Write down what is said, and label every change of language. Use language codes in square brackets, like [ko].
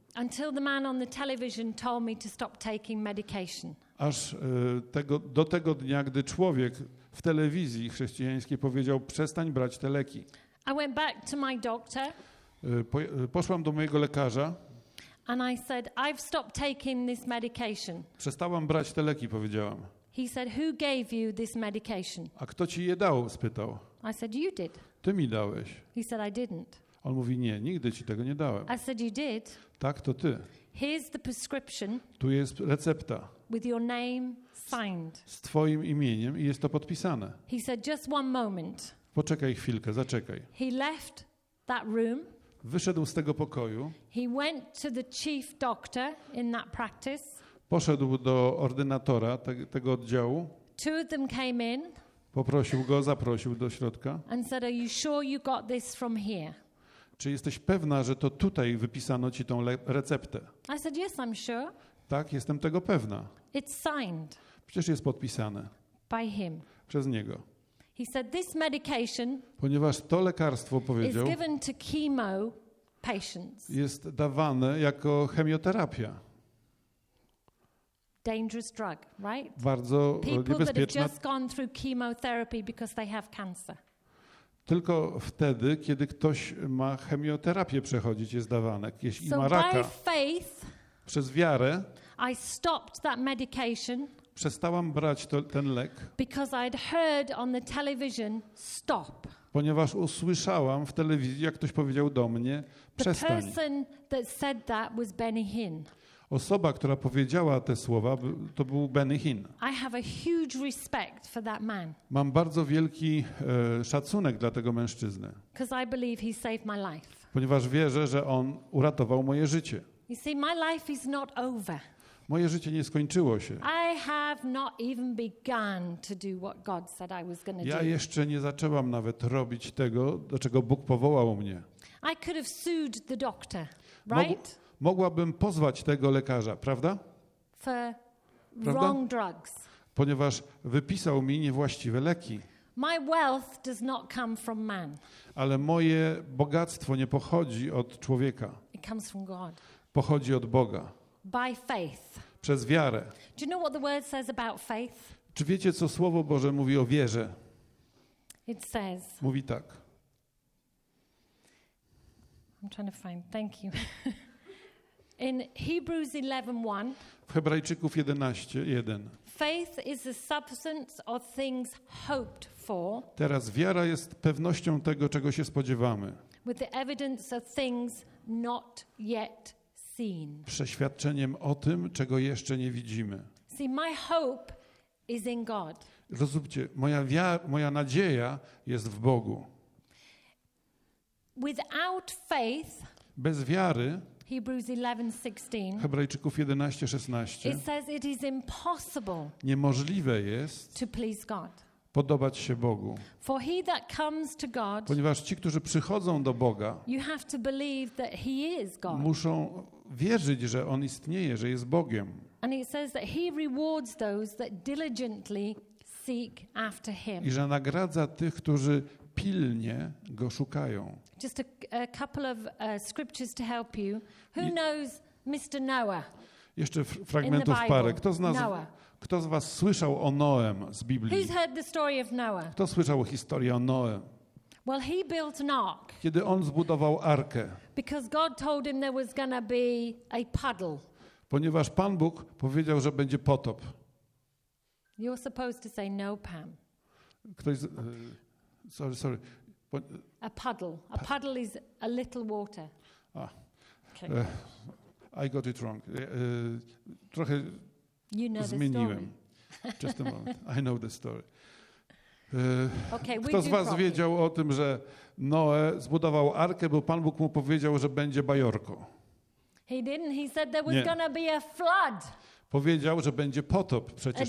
[en] Until the man on the television told me to stop taking medication. [pl] Aż do tego dnia, gdy człowiek w telewizji chrześcijańskiej powiedział, przestań brać te leki. [en] I went back to my doctor. [pl] Poszłam do mojego lekarza. [en] And I said, I've stopped taking this medication. [pl] Przestałam brać te leki, powiedziałam. [en] He said, who gave you this medication? [pl] A kto ci je dał, spytał. [en] I said, you did. [pl] Ty mi dałeś. [en] He said, I didn't. [pl] On mówi, nie, nigdy ci tego nie dałem. [en] I said, you did. [pl] Tak, to ty. [en] Here's the prescription. [pl] Tu jest recepta. [en] With your name signed. [pl] Z twoim imieniem i jest to podpisane. [en] He said, just one moment. [pl] Poczekaj chwilkę, zaczekaj. [en] He left that room. [pl] Wyszedł z tego pokoju. [en] He went to the chief doctor in that practice. [pl] Poszedł do ordynatora tego oddziału. [en] Two of them came in. [pl] Poprosił go, zaprosił do środka. [en] And said, are you sure you got this from here? [pl] Czy jesteś pewna, że to tutaj wypisano ci tą receptę? [en] I said, yes, I'm sure. [pl] Tak, jestem tego pewna. [en] It's signed. [pl] Przecież jest podpisane. [en] By him. [pl] Przez niego. [en] He said this medication [pl] ponieważ to lekarstwo powiedział [en] is given to chemo patients. [pl] Jest dawane jako chemioterapia. [en] Dangerous drug, right? [pl] Bardzo niebezpieczna. [en] People that have just gone through chemotherapy because they have cancer. [pl] Tylko wtedy, kiedy ktoś ma chemioterapię przechodzić, jest dawane, jeśli ma raka. Przez wiarę [en] I stopped that medication. [pl] Przestałam brać ten lek. [en] Because I'd heard on the television stop. [pl] Ponieważ usłyszałam w telewizji, jak ktoś powiedział do mnie, przestań. [en] The person that said that was Benny Hinn. [pl] Osoba, która powiedziała te słowa, to był Benny Hinn. [en] I have a huge respect for that man. [pl] Mam bardzo wielki szacunek dla tego mężczyzny. [en] Because I believe he saved my life. [pl] Ponieważ wierzę, że on uratował moje życie. [en] You see, my life is not over. [pl] Moje życie nie skończyło się. [en] I have not even begun to do what God said I was going to do. [pl] Ja jeszcze nie zaczęłam nawet robić tego, do czego Bóg powołał mnie. [en] I could have sued the doctor, right? [pl] Mogłabym pozwać tego lekarza, prawda? [en] For [pl] prawda? [en] Wrong drugs. [pl] Ponieważ wypisał mi niewłaściwe leki. [en] My wealth does not come from man. [pl] Ale moje bogactwo nie pochodzi od człowieka. [en] It comes from God. [pl] Pochodzi od Boga. [en] By faith. [pl] Przez wiarę. [en] Do you know what the word says about faith? [pl] Czy wiecie, co Słowo Boże mówi o wierze? [en] It says. [pl] Mówi tak. [en] I'm trying to find. Thank you. In Hebrews 11:1. [pl] W Hebrajczyków 11:1. [en] Faith is the substance of things hoped for. [pl] Teraz wiara jest pewnością tego, czego się spodziewamy. [en] With the evidence of things not yet seen. [pl] Przeświadczeniem o tym, czego jeszcze nie widzimy. [en] See, my hope is in God. [pl] Rozumcie, moja nadzieja jest w Bogu. [en] Without faith. [pl] Bez wiary. [en] Hebrews 11:16. [pl] Hebrajczyków 11:16. [en] It says it is impossible. [pl] Niemożliwe jest. [en] To please God. [pl] Podobać się Bogu. [en] For he that comes to God. [pl] Ponieważ ci, którzy przychodzą do Boga. [en] You have to believe that he is God. [pl] Muszą wierzyć, że on istnieje, że jest Bogiem. [en] And it says that he rewards those that diligently seek after him. [pl] I że nagradza tych, którzy pilnie go szukają. [en] Just a couple of scriptures to help you. Who knows Mr. Noah? [pl] Jeszcze fragmentów parę. Kto z nas, kto z was słyszał o Noem z Biblii? [en] Who's heard the story of Noah? [pl] Kto słyszał historię o Noe? [en] Well, he built an ark. [pl] Kiedy on zbudował arkę. [en] Because God told him there was gonna be a puddle. [pl] Ponieważ Pan Bóg powiedział, że będzie potop. [en] You're supposed to say no, Pam. [pl] Ktoś, sorry. [en] A puddle. A puddle is a little water. Ah. Okay. I got it wrong. Trochę you know [pl] zmieniłem. [en] The story. Just a moment. I know the story. [pl] Kto z was wiedział o tym, że Noe zbudował arkę, bo Pan Bóg mu powiedział, że będzie bajorko? [en] He didn't. He said there was gonna be a flood. [pl] Powiedział, że będzie potop, przecież